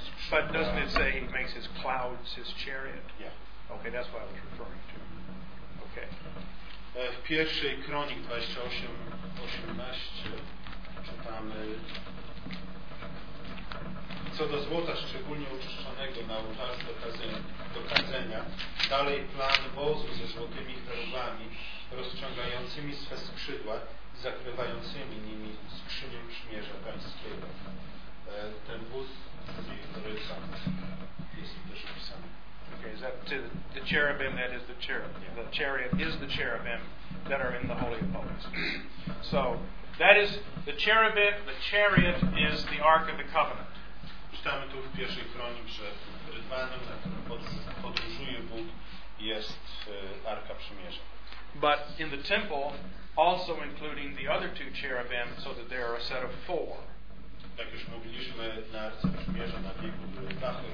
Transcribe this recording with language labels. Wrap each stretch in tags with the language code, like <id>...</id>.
<en>But doesn't it say he makes his clouds his chariot? Yeah. Okay, that's what I was referring to. Okay.</en> <pl>W pierwszej Kronik 28, 18 czytamy: co do złota szczególnie uczyszczonego na ołtarzu do kadzenia, dalej plan wozu ze złotymi cherubami rozciągającymi swe skrzydła, zakrywającymi nimi skrzynię przymierza pańskiego. Ten wóz, który sam jest też opisany.</pl> <en>Okay, is that to the cherubim? That is the cherubim. Yeah. The chariot is the cherubim that are in the Holy of Holies. So, that is the cherubim, the chariot is the Ark of the Covenant.</en> <pl>Czytamy tu w pierwszej Kronik, że rydwanem, na którym podróżuje Bóg, jest Arka Przymierza.</pl> <en>But in the temple, also including the other two cherubim, so that there are a set of four.</en> <pl>Jak już mówiliśmy, na Arce Przymierza na biegu były dwa</pl>